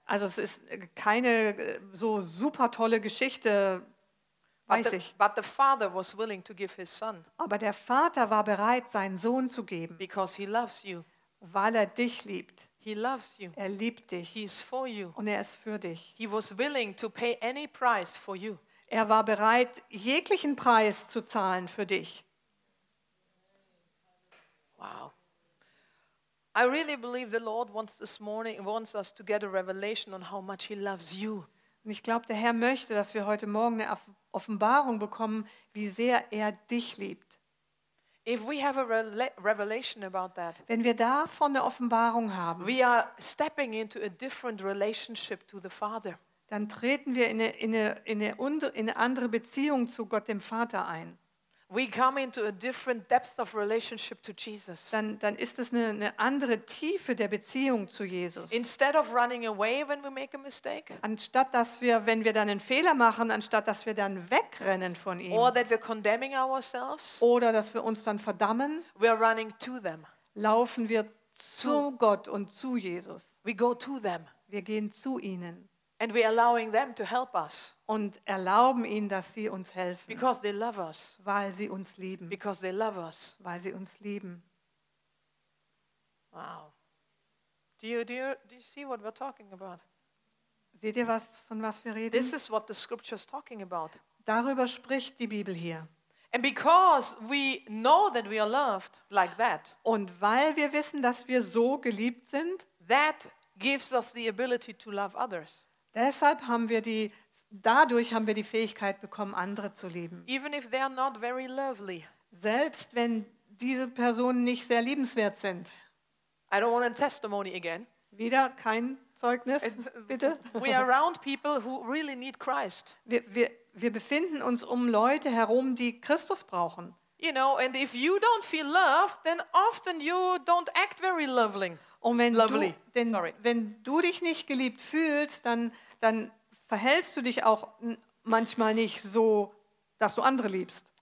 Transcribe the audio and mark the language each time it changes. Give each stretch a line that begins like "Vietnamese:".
German: Also es ist keine so super tolle Geschichte, weiß ich.
English: But the father was willing to give his son.
German: Aber der Vater war bereit, seinen Sohn zu geben.
English: Because he loves you.
German: Weil er dich liebt.
English: He loves you.
German: Er liebt dich.
English: He is for you.
German: Und er ist für dich.
English: He was willing to pay any price for you.
German: Er war bereit, jeglichen Preis zu zahlen für dich.
English: Wow. I really believe the Lord wants this morning wants us to get a revelation on how much he loves you.
German: Und ich glaube, der Herr möchte, dass wir heute Morgen eine Offenbarung bekommen, wie sehr er dich liebt.
English: If we have a revelation about that.
German: Wenn wir davon eine Offenbarung haben.
English: We are stepping into a different relationship to the Father.
German: Dann treten wir in eine andere Beziehung zu Gott dem Vater ein.
English: We come into a different depth of relationship to Jesus.
German: Dann ist es eine andere Tiefe der Beziehung zu Jesus.
English: Instead of running away when we make a mistake.
German: Anstatt dass wir, wenn wir dann einen Fehler machen, anstatt dass wir dann wegrennen von ihm.
English: Or that we're condemning ourselves.
German: Oder dass wir uns dann verdammen.
English: We are running to them.
German: Laufen wir zu Gott und zu Jesus.
English: We go to them.
German: Wir gehen zu ihnen.
English: And we're allowing them to help us.
German: Und erlauben ihnen, dass sie uns helfen.
English: Because they love us.
German: Weil sie uns lieben.
English: Because they love us.
German: Weil sie uns lieben.
English: Wow. Do you see what we're talking about?
German: Seht ihr was, von was wir reden?
English: This is what the scripture is talking about.
German: Darüber spricht die Bibel hier.
English: And because we know that we are loved like that.
German: Und weil wir wissen, dass wir so geliebt sind.
English: That gives us the ability to love others.
German: Deshalb haben wir dadurch haben wir die Fähigkeit bekommen, andere zu lieben.
English: Even if they are not very lovely.
German: Selbst wenn diese Personen nicht sehr liebenswert sind.
English: I don't want a testimony again.
German: Wieder kein Zeugnis, bitte.
English: We are around people who really need Christ.
German: Wir befinden uns um Leute herum, die Christus brauchen.
English: You know, and if you don't feel loved, then often you don't act very lovely.
German: Und wenn du dich nicht geliebt fühlst, dann verhältst du dich auch manchmal nicht so, dass du andere liebst.